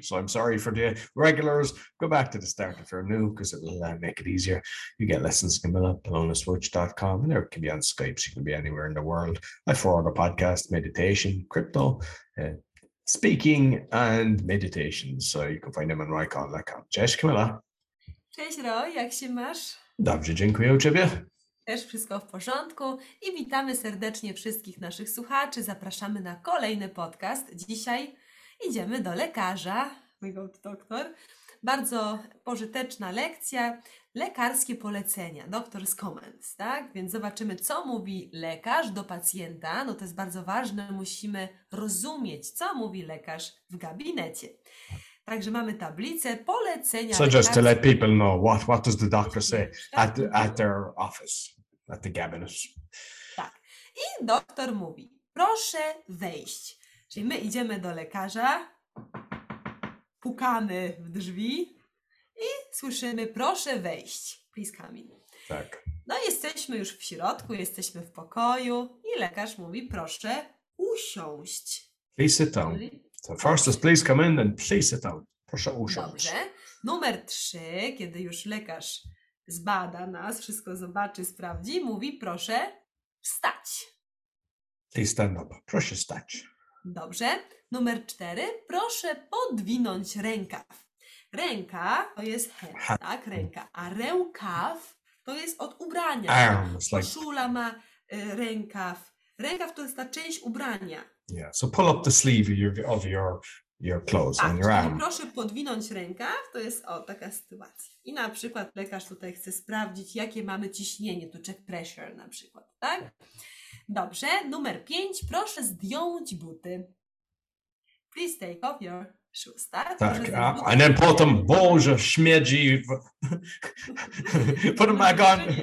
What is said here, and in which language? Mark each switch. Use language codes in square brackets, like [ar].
[en] So I'm sorry for the regulars. Go back to the start if you're new, because it will make it easier. You get lessons coming up, polonaswitch.com, and there it can be on Skype, so you can be anywhere in the world. I forward a podcast, meditation, crypto, speaking, and meditation. So you can find them on rycon.com. [pl] Cześć, Kamila. Cześć, Roy. Jak się masz? Dobrze, dziękuję, u Ciebie. Też wszystko w porządku i witamy serdecznie wszystkich naszych słuchaczy. Zapraszamy na kolejny podcast. Dzisiaj idziemy do lekarza. [en] We go to doktor. [pl] Bardzo pożyteczna lekcja. Lekarskie polecenia. [en] Doctor's comments, [pl] tak? Więc zobaczymy, co mówi lekarz do pacjenta. No to jest bardzo ważne. Musimy rozumieć, co mówi lekarz w gabinecie. Także mamy tablicę polecenia. [en] So just to let people know, what does the doctor say at their office, at the cabinet? [pl] Tak. I doktor mówi, proszę wejść. Czyli my idziemy do lekarza, pukamy w drzwi i słyszymy, proszę wejść. [en] Please come in. [pl] Tak. No jesteśmy już w środku, jesteśmy w pokoju i lekarz mówi, proszę usiąść. [en] Please sit down. So first is please come in and please sit down. [pl] Proszę usiąść. Dobrze. Numer 3, kiedy już lekarz zbada nas, wszystko zobaczy, sprawdzi, mówi proszę wstać. [en] Please stand up. [pl] Proszę stać. Dobrze. Numer 4, proszę podwinąć rękaw. Ręka to jest hand, tak? Ręka. A rękaw to jest od ubrania. Koszula ma rękaw. Rękaw to jest ta część ubrania. [en] Yeah, so pull up the sleeve of your clothes on your arm. [pl] Proszę podwinąć rękaw, to jest o taka sytuacja. I na przykład lekarz tutaj chce sprawdzić, jakie mamy ciśnienie, tu [en] check pressure [pl] na przykład, tak? Dobrze, numer 5, proszę zdjąć buty. [en] Please take off your shoes, tak? Tak, and then put them, [pl] Boże, śmiedzi, [en] put them back on.